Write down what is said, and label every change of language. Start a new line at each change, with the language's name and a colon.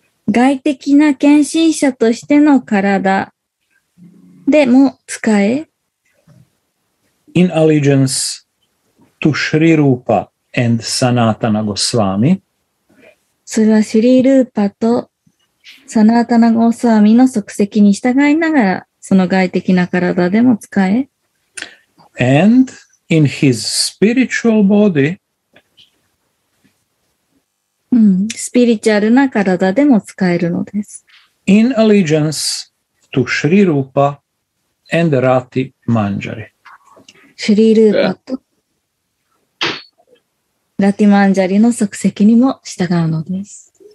Japanese: 外的な献身者としての体でも使え
English: In allegiance to Shri Rupa and Sanatana Goswami
Japanese: それはシュリールーパとサナータナゴスワミの足跡に従いながらその外的な体でも使え
English: And in his spiritual body
Japanese: うん、スピリチュアルな体でも使えるのです。
English: In allegiance to Shri Rupa and Rati Manjari.
Japanese: シュリールーパとラティマンジャリの足跡にも従うのです。